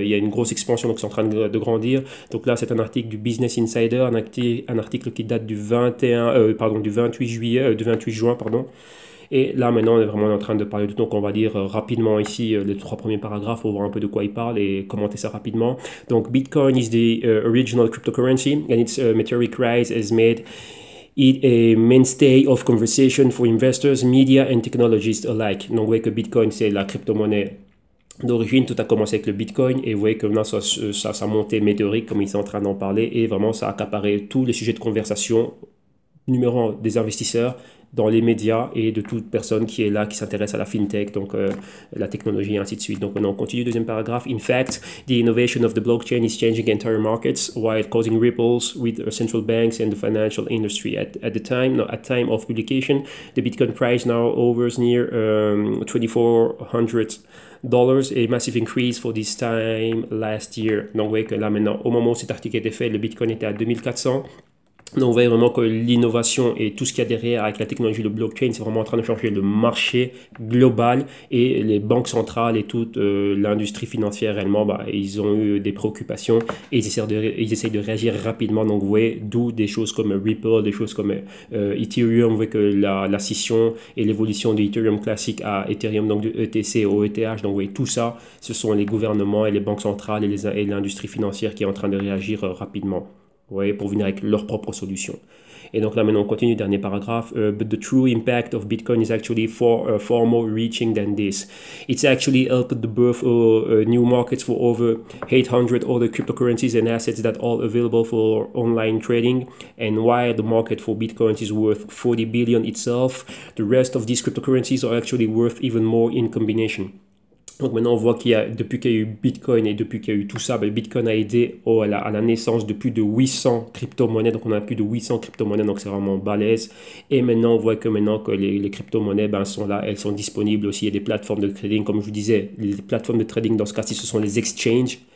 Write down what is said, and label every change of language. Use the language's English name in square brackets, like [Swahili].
[French] Il y a une grosse expansion, donc c'est en train de grandir. Donc, là, c'est un article du Business Insider, un article qui date du 21, pardon, du 28 juillet, du 28 juin, pardon. Et là, maintenant, on est vraiment en train de parler de tout. Donc, on va lire rapidement ici les trois premiers paragraphes pour voir un peu de quoi il parle et commenter ça rapidement. [English] Donc, Bitcoin is the original cryptocurrency and its meteoric rise has made. It a mainstay of conversation for investors, media and technologists alike. [French] Donc, vous voyez que Bitcoin, c'est la crypto-monnaie d'origine. Tout a commencé avec le Bitcoin et vous voyez que maintenant, ça a monté météorique, comme ils sont en train d'en parler, et vraiment, ça a accaparé tous les sujets de conversation, numéro un, des investisseurs, dans les médias et de toute personne qui est là, qui s'intéresse à la fintech, donc la technologie et ainsi de suite. Donc on continue, deuxième paragraphe. [English] In fact, the innovation of the blockchain is changing entire markets while causing ripples with central banks and the financial industry. At time of publication, the Bitcoin price now hovers near $2,400, a massive increase for this time last year. [French] Donc vous voyez que là maintenant, au moment où cet article était fait, le Bitcoin était à 2400. Donc, on voit vraiment que l'innovation et tout ce qu'il y a derrière avec la technologie, le blockchain, c'est vraiment en train de changer le marché global et les banques centrales et toute l'industrie financière réellement, bah, ils ont eu des préoccupations et ils essayent de réagir rapidement. Donc, vous voyez, d'où des choses comme Ripple, des choses comme Ethereum, vous voyez que la scission et l'évolution de Ethereum classique à Ethereum, donc de ETC au ETH. Donc, vous voyez, tout ça, ce sont les gouvernements et les banques centrales et l'industrie financière qui est en train de réagir rapidement. Ouais, pour venir avec leurs propres solutions. Et donc là, maintenant, on continue, dernier paragraphe. [English] But the true impact of Bitcoin is actually far more reaching than this. It's actually helped the birth of new markets for over 800 other cryptocurrences and assets that are available for online trading. And while the market for Bitcoin is worth 40 billion itself, the rest of these cryptocurrencies are actually worth even more in combination. [French] Donc maintenant on voit qu'il y a, depuis qu'il y a eu Bitcoin et depuis qu'il y a eu tout ça, ben Bitcoin a aidé à la naissance de plus de 800 crypto-monnaies. Donc on a plus de 800 crypto-monnaies, donc c'est vraiment balèze. Et maintenant on voit que maintenant que les crypto-monnaies ben, sont là, elles sont disponibles aussi. Il y a des plateformes de trading, comme je vous disais, les plateformes de trading dans ce cas-ci, ce sont les exchanges.